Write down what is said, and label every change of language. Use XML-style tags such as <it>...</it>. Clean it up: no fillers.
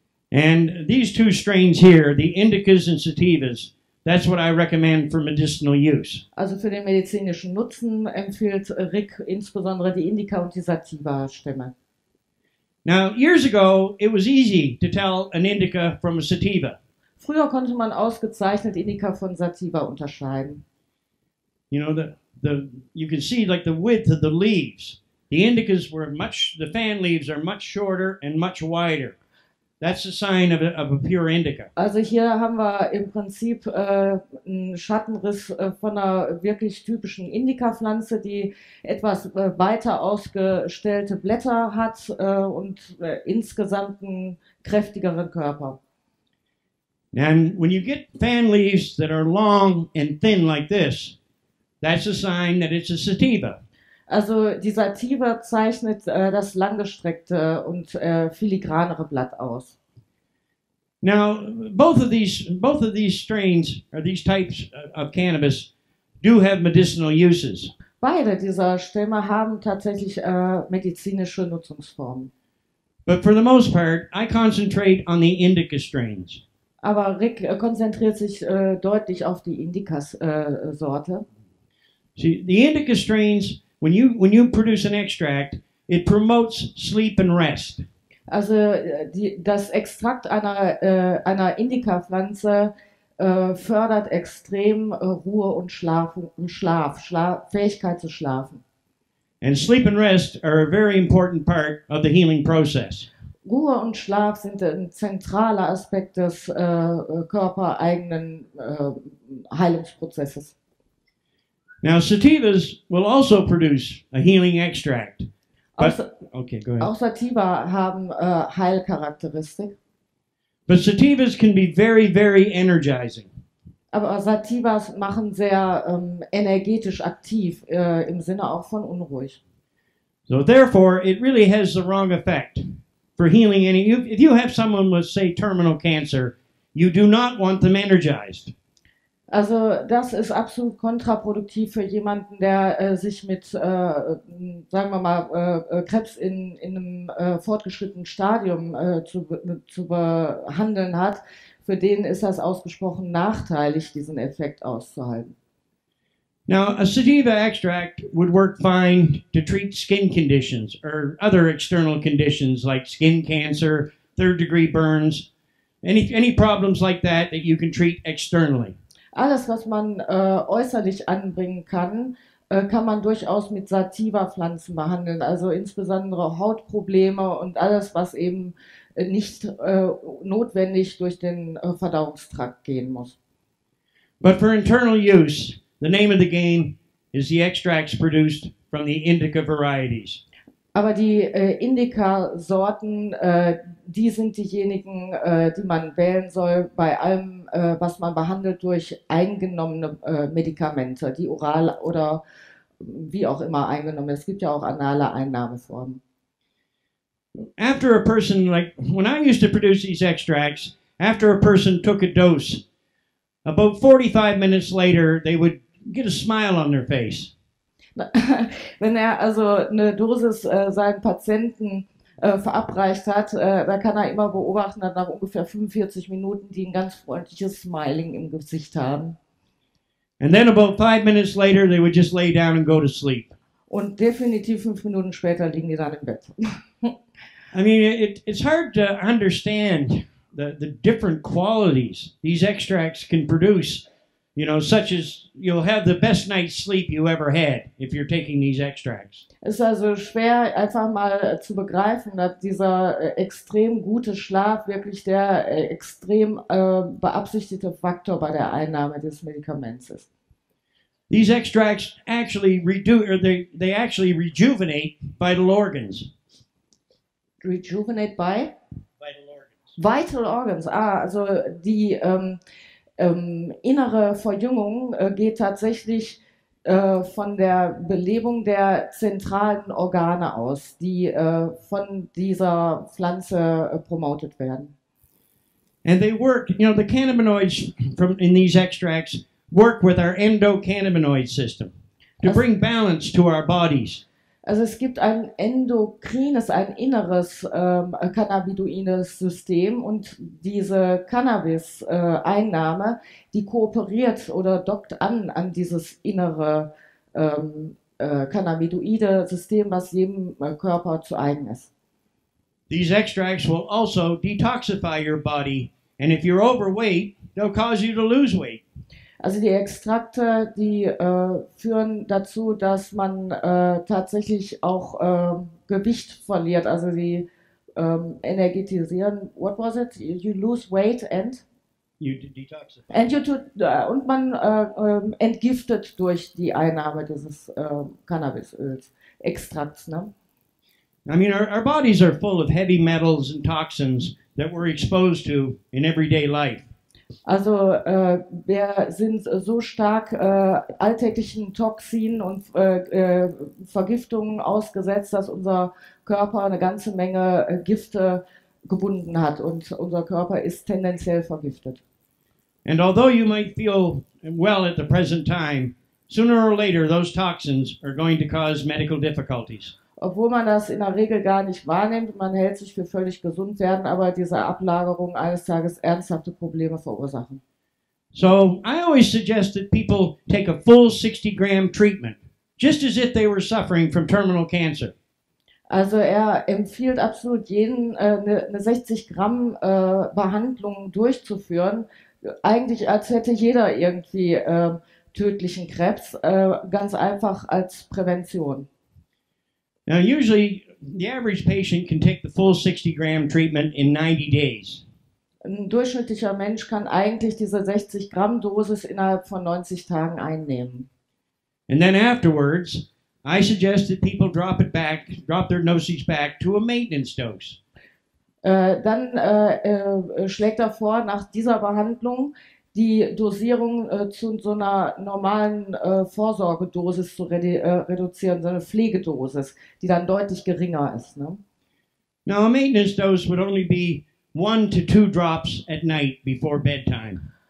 <en>And these two strains here, the indicas and sativas, that's what I recommend for medicinal use.</en> <de>Also für den medizinischen Nutzen empfiehlt Rick insbesondere die Indica und die Sativa-Stämme.</de> <en>Now, years ago, it was easy to tell an indica from a sativa.</en> <de>Früher konnte man ausgezeichnet Indica von Sativa unterscheiden.</de> <en>You know, you can see like the width of the leaves. The indicas were much, the fan leaves are much shorter and much wider. That's a sign of a pure indica.</en> <de>Also hier haben wir im Prinzip einen Schattenriss von einer wirklich typischen Indica-Pflanze, die etwas weiter ausgestellte Blätter hat und insgesamt einen kräftigeren Körper.</de> <en>And when you get fan leaves that are long and thin like this, that's a sign that it's a sativa.</en> <de>Also die Sativa zeichnet das langgestreckte und filigranere Blatt aus.</de> <en>Now, both of these strains or these types of cannabis do have medicinal uses.</en> <de>Beide dieser Stämme haben tatsächlich medizinische Nutzungsformen.</de> <en>But for the most part, I concentrate on the indica strains.</en> <de>Aber Rick konzentriert sich deutlich auf die Indica-Sorte.</de> <en>See, the indica strains, when you produce an extract, it promotes sleep and rest.</en> <de>Also das Extrakt einer Indica-Pflanze fördert extrem Ruhe und Fähigkeit zu schlafen.</de> <en>And sleep and rest are a very important part of the healing process.</en> <de>Ruhe und Schlaf sind ein zentraler Aspekt des körpereigenen Heilungsprozesses.</de> <en>Now sativas will also produce a healing extract.</en> <de>Auch Sativa haben Heilcharakteristik.</de> <en>But sativas can be very, very energizing.</en> <de>Aber Sativas machen sehr energetisch aktiv, im Sinne auch von unruhig.</de> <en>So therefore, it really has the wrong effect for healing any... If you have someone with, say, terminal cancer, you do not want them energized.</en> <de>Also das ist absolut kontraproduktiv für jemanden, der sich mit, sagen wir mal, Krebs in einem fortgeschrittenen Stadium zu behandeln hat. Für den ist das ausgesprochen nachteilig, diesen Effekt auszuhalten.</de> <en>Now, a sativa extract would work fine to treat skin conditions or other external conditions like skin cancer, third-degree burns, any problems like that that you can treat externally.</en> <de>Alles, was man äußerlich anbringen kann, kann man durchaus mit Sativa-Pflanzen behandeln. Also insbesondere Hautprobleme und alles, was eben nicht notwendig durch den Verdauungstrakt gehen muss.</de> <en>But for internal use, the name of the game is the extracts produced from the Indica varieties.</en> <de>Aber die Indica-Sorten, die sind diejenigen, die man wählen soll bei allem, was man behandelt durch eingenommene Medikamente, die oral oder wie auch immer eingenommen. Es gibt ja auch anale Einnahmeformen.</de> <en>After a person, like when I used to produce these extracts, after a person took a dose, about 45 minutes later, they would get a smile on their face.</en> <de>Wenn er also eine Dosis seinen Patienten verabreicht hat, da kann er immer beobachten, dass nach ungefähr 45 Minuten die ein ganz freundliches Smiling im Gesicht haben.</de> <en>And then about 5 minutes later, they would just lay down and go to sleep.</en> <de>Und definitiv 5 Minuten später liegen die dann im Bett.</de> <en>I mean, it's hard to understand the different qualities these extracts can produce. You know, such as you'll have the best night's sleep you ever had if you're taking these extracts.</en> <de>Es ist also schwer, einfach mal zu begreifen, dass dieser extrem gute Schlaf wirklich der extrem beabsichtigte Faktor bei der Einnahme des Medikaments ist.</de> <en>These extracts actually they actually rejuvenate vital organs. Rejuvenate by? Vital organs. Vital organs.</en> <de>Ah, also die. Innere Verjüngung geht tatsächlich von der Belebung der zentralen Organe aus, die von dieser Pflanze promotet werden.</de> <en>And they work, you know, the cannabinoids from in these extracts work with our endocannabinoid system to bring balance to our bodies.</en> <de>Also es gibt ein endokrines, ein inneres cannabinoides System und diese Cannabis-Einnahme, die kooperiert oder dockt an dieses innere cannabinoide System, was jedem Körper zu eigen ist.</de> <en>These extracts will also detoxify your body and if you're overweight, they'll cause you to lose weight.</en> <de>Also die Extrakte, die führen dazu, dass man tatsächlich auch Gewicht verliert. Also sie energetisieren.</de> <en>What was it? You lose weight and? You detoxify. And you</en> <de>und man entgiftet durch die Einnahme dieses Cannabisöls, Extrakts. Ne?</de> <en>I mean, our bodies are full of heavy metals and toxins that we're exposed to in everyday life.</en> <de>Also wir sind so stark alltäglichen Toxinen und Vergiftungen ausgesetzt, dass unser Körper eine ganze Menge Gifte gebunden hat und unser Körper ist tendenziell vergiftet.</de> <en>And although you might feel well at the present time, sooner or later those toxins are going to cause medical difficulties.</en> <de>Obwohl man das in der Regel gar nicht wahrnimmt, man hält sich für völlig gesund, werden aber diese Ablagerungen eines Tages ernsthafte Probleme verursachen.</de> <en>So, I always suggest that people take a full 60 gram treatment, just as if they were suffering from terminal cancer.</en> <de>Also er empfiehlt absolut jeden, eine 60 Gramm Behandlung durchzuführen, eigentlich als hätte jeder irgendwie tödlichen Krebs, ganz einfach als Prävention.</de> <en>Now usually the average patient can take the full 60 gram treatment in 90 days.</en> <de>Ein durchschnittlicher Mensch kann eigentlich diese 60 Gramm Dosis innerhalb von 90 Tagen einnehmen.</de> <en>And then afterwards, I suggest that people drop their dosage back to a maintenance dose.</en> <de>Dann schlägt er vor, nach dieser Behandlung die Dosierung zu so einer normalen Vorsorgedosis zu reduzieren, so eine Pflegedosis, die dann deutlich geringer ist. Ne?</de> <en>Now a maintenance dose would only be 1 to 2 drops at night before bedtime.</en>